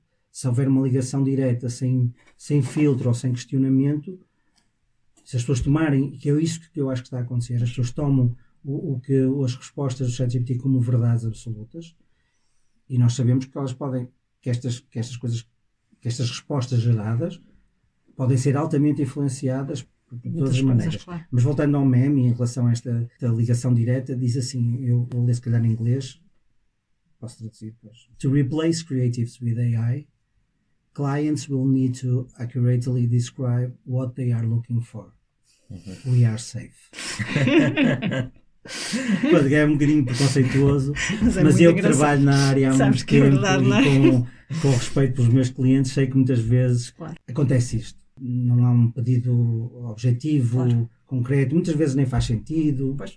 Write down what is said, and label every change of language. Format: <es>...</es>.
<pt>Se houver uma ligação direta, sem filtro ou sem questionamento, se as pessoas tomarem, que é isso que eu acho que está a acontecer, as pessoas tomam as respostas do ChatGPT como verdades absolutas, e nós sabemos que elas podem, que estas respostas geradas podem ser altamente influenciadas por todas as maneiras. Claro. Mas voltando ao meme, em relação a esta ligação direta, diz assim, eu vou ler se calhar em inglês, posso traduzir depois.</pt> <en>To replace creatives with AI, clients will need to accurately describe what they are looking for. We are safe.</en> <pt>Pode ganhar um bocadinho preconceituoso, mas eu que trabalho na área há muito tempo e com respeito pelos meus clientes, sei que muitas vezes acontece isto. Não há um pedido objetivo, concreto, muitas vezes nem faz sentido.</pt>